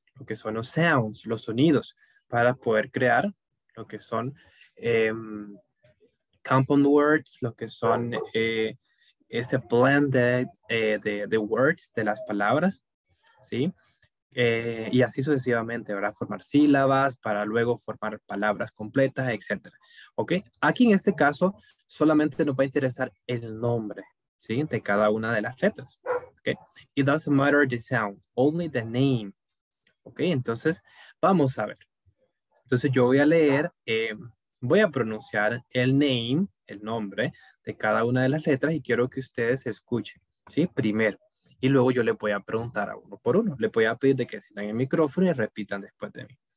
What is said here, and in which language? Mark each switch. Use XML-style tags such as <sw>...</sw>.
<es>Lo que son los sounds, los sonidos, para poder crear lo que son compound words, lo que son ese blend de words, de las palabras, ¿sí? Y así sucesivamente, ¿verdad? Formar sílabas para luego formar palabras completas, etc. ¿Ok? Aquí en este caso solamente nos va a interesar el nombre, ¿sí? De cada una de las letras. ¿Ok?</es> <en>It doesn't matter the sound, only the name.</en> <es>¿Ok? Entonces, vamos a ver. Entonces yo voy a leer, voy a pronunciar el name, el nombre de cada una de las letras y quiero que ustedes escuchen, ¿sí? Primero. Y luego yo le voy a preguntar a uno por uno. Le voy a pedir de que sientan el micrófono y repitan después de mí.</es>